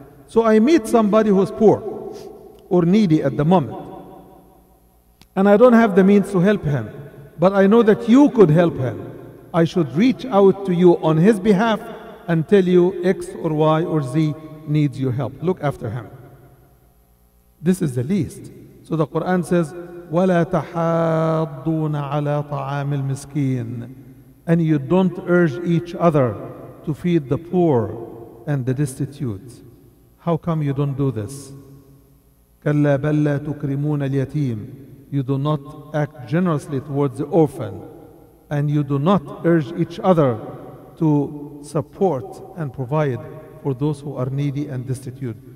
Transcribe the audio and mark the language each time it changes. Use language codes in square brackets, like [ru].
[en] So I meet somebody who's poor or needy at the moment, and I don't have the means to help him, but I know that you could help him. I should reach out to you on his behalf and tell you X or Y or Z needs your help. Look after him. This is the least. So the Quran says, [ar] وَلَا تَحَاضُّونَ عَلَىٰ طَعَامِ الْمِسْكِينَ. [en] And you don't urge each other to feed the poor and the destitute. How come you don't do this? [ar] كَلَّا بَلَّا تُكْرِمُونَ الْيَتِيمِ. [en] You do not act generously towards the orphan, and you do not urge each other to support and provide for those who are needy and destitute.